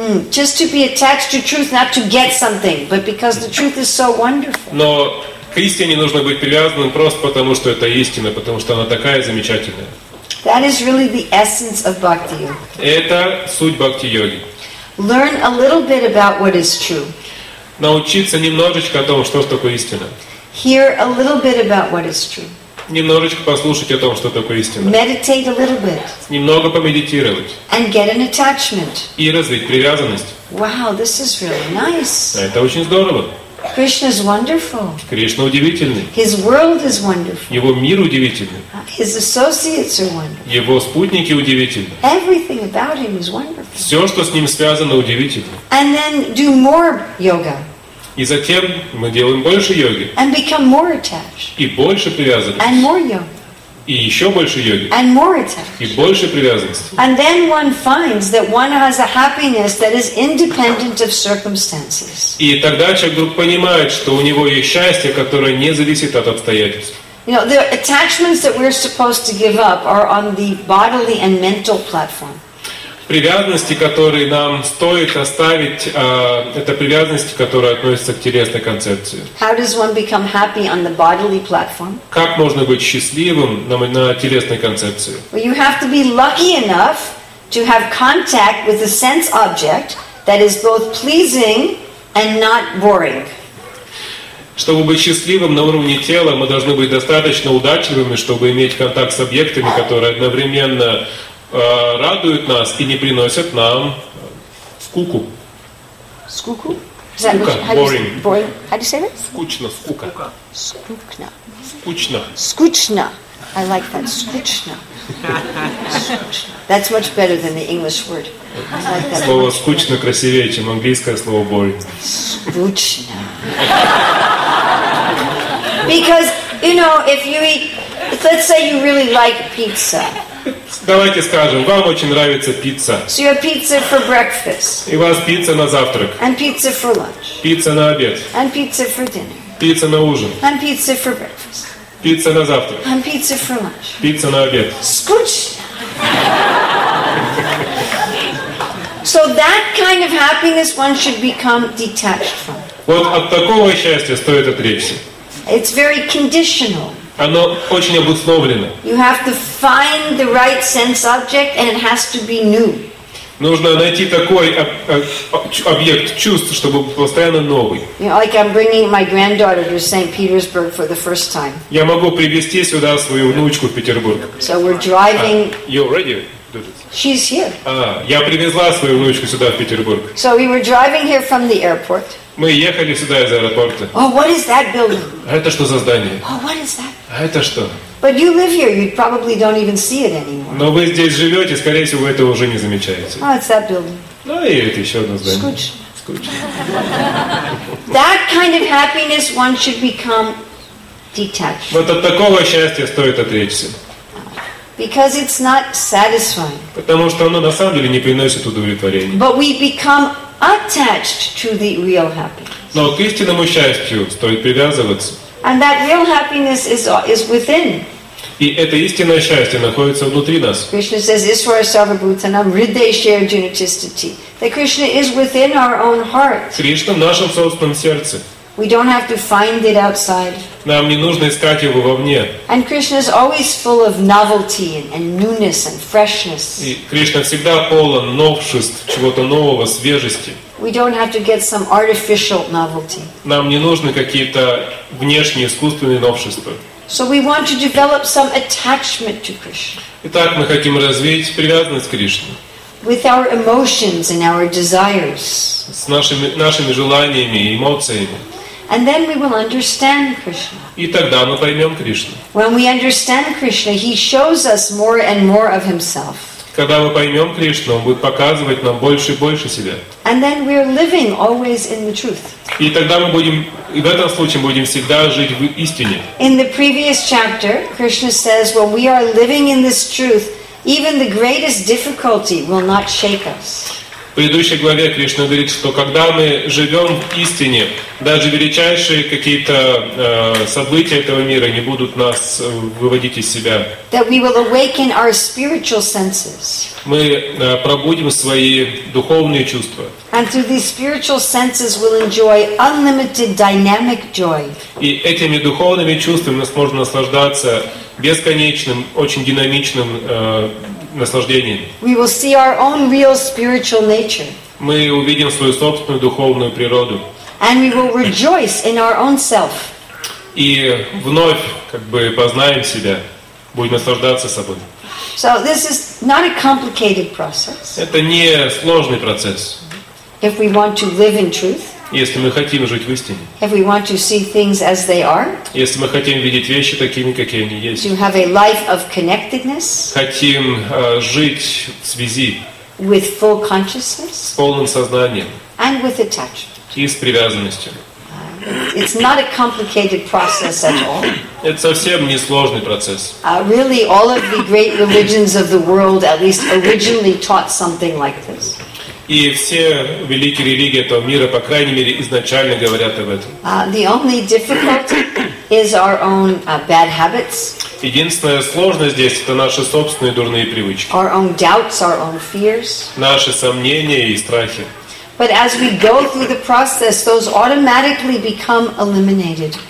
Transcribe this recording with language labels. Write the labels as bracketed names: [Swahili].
[English] Just to be attached to truth, not to get something, but because the truth is so wonderful. [Russian] Но к истине нужно быть привязанным просто потому, что это истина, потому что она такая замечательная. [English] That is really the essence of bhakti yoga. [Russian] Это суть бхакти йоги. [English] Learn a little bit about what is true. [Russian] Научиться немножечко о том, что такое истина. [English] Hear a little bit about what is true. [Russian] Немножечко послушать о том, что такое истина. [English] Meditate a little bit. [Russian] Немного помедитировать. [English] And get an attachment. [Russian] И развить привязанность. [English] Wow, this is really nice. [Russian] Это очень здорово. [English] Krishna is wonderful. [Russian] Кришна удивительный. [English] His world is wonderful. [Russian] Его мир удивительный. [English] His associates are wonderful. [Russian] Его спутники удивительны. [English] Everything about him is wonderful. [Russian] Все, что с ним связано, удивительно. [English] And then do more yoga. [Russian] И затем мы делаем больше йоги. [English] And become more attached. [Russian] И больше привязанности. [English] And more yoga. [Russian] И еще больше йоги. [English] And more attached. [Russian] И больше привязанности. [English] And then one finds that one has a happiness that is independent of circumstances. [Russian] И тогда человек вдруг понимает, что у него есть счастье, которое не зависит от обстоятельств. [English] You know, the attachments that we're supposed to give up are on the bodily and mental platform. [Russian] Привязанности, которые нам стоит оставить, это привязанности, которые относятся к телесной концепции. [English] How does one become happy on the bodily platform? [Russian] Как можно быть счастливым на телесной концепции? [English] Well, you have to be lucky enough to have contact with a sense object that is both pleasing and not boring. [Russian] Чтобы быть счастливым на уровне тела, мы должны быть достаточно удачливыми, чтобы иметь контакт с объектами, которые одновременно радуют нас и не приносят нам скуку. Скуку? Скука. [English] Boring. Boring. How do you say that? [Russian] Скучно. Скука. Скучно. Скучно. Скучно. [English] I like that. Скучно. That's much better than the English word. Like [Russian] слово скучно красивее, чем английское слово [English] boring. [Russian] Скучно. [English] Because, you know, if you eat, let's say you really like pizza. [Russian] Давайте скажем, вам очень нравится пицца. [English] So you have pizza for breakfast. [Russian] И у вас пицца на завтрак. [English] And pizza for lunch. [Russian] Пицца на обед. [English] And pizza for dinner. [Russian] Пицца на ужин. [English] And pizza for breakfast. [Russian] Пицца на завтрак. [English] And pizza for lunch. [Russian] Пицца на обед. Скучно. [English] So that kind of happiness one should become detached from. [Russian] Вот от такого счастья стоит отречься. [English] It's very conditional. [Russian] Оно очень обусловлено. [English] You have to find the right sense object, and it has to be new. [Russian] Нужно найти такой объект чувств, чтобы был постоянно новый. [English] You know, like I'm bringing my granddaughter to St. Petersburg for the first time. [Russian] Я могу привести сюда свою внучку в Петербург. [English] So we're driving. You're ready? She's here. [Russian] Я привезла свою внучку сюда в Петербург. [English] So we were driving here from the airport. [Russian] Мы ехали сюда из аэропорта. [English] Oh, what is that building? [Russian] Это что за здание? [English] Oh, what is that? [Russian] Это что? [English] But you live here, you probably don't even see it anymore. [Russian] Но вы здесь живете, скорее всего, вы этого уже не замечаете. [English] Oh, it's that building. [Russian] Ну и это еще одно здание. Скучно. [English] That kind of happiness one should become detached. [Russian] Вот от такого счастья стоит отречься. [English] Because it's not satisfying. [Russian] Потому что оно на самом деле не приносит удовлетворения. [English] But we become attached to the real happiness. [Russian] Но к истинному счастью стоит привязываться. [English] And that real happiness is within. [Russian] И это истинное счастье находится внутри нас. [English] Krishna says, [Sanskrit] "Iswara Sarvabhutanam Hridaye Junatisthati." [English] That Krishna is within our own heart. [Russian] Кришна в нашем собственном сердце. [English] We don't have to find it outside. [Russian] Нам не нужно искать его вовне. [English] And Krishna is always full of novelty and newness and freshness. [Russian] И Кришна всегда полон новшеств, чего-то нового, свежести. [English] We don't have to get some artificial novelty. [Russian] Нам не нужны какие-то внешние искусственные новшества. [English] So we want to develop some attachment to Krishna. [Russian] Итак, мы хотим развить привязанность к Кришне. [English] With our emotions and our desires. [Russian] С нашими желаниями и эмоциями. [English] And then we will understand Krishna. [Russian] И тогда мы поймем Кришну. [English] When we understand Krishna, he shows us more and more of himself. [Russian] Когда мы поймем Кришну, он будет показывать нам больше и больше себя. [English] And then we are living always in the truth. [Russian] И тогда мы будем, и в этом случае будем всегда жить в истине. [English] In the previous chapter, Krishna says, when we are living in this truth, even the greatest difficulty will not shake us. [Russian] В предыдущей главе Кришна говорит, что когда мы живем в истине, даже величайшие какие-то события этого мира не будут нас выводить из себя. [English] That we will awaken our spiritual senses. [Russian] Мы пробудим свои духовные чувства. [English] And through these spiritual senses we'll enjoy unlimited dynamic joy. [Russian] И этими духовными чувствами мы сможем наслаждаться бесконечным, очень динамичным наслаждением. [English] We will see our own real spiritual nature. [Russian] Мы увидим свою собственную духовную природу. [English] And we will rejoice in our own self. [Russian] И вновь как бы познаем себя, будем наслаждаться собой. [English] So this is not a complicated process. [Russian] Это не сложный процесс. [English] If we want to live in truth. [Russian] Если мы хотим жить в истине. [English] If we want to see things as they are. [Russian] Если мы хотим видеть вещи такими, какие они есть. [English] To have a life of connectedness. [Russian] Хотим жить в связи. [English] With full consciousness. [Russian] С полным сознанием. [English] And with attachment. [Russian] И с привязанностью. [English] It's not a complicated process at all. [Russian] Это совсем не сложный процесс. [English] Really, all of the great religions of the world, at least originally, taught something like this. [Russian] И все великие религии этого мира, по крайней мере, изначально говорят об этом. [English] The only difficulty is our own bad habits. [Russian] Единственная сложность здесь — это наши собственные дурные привычки. [English] Our own doubts, our own fears. [Russian] Наши сомнения и страхи. [English] But as we go through the process, those automatically become eliminated.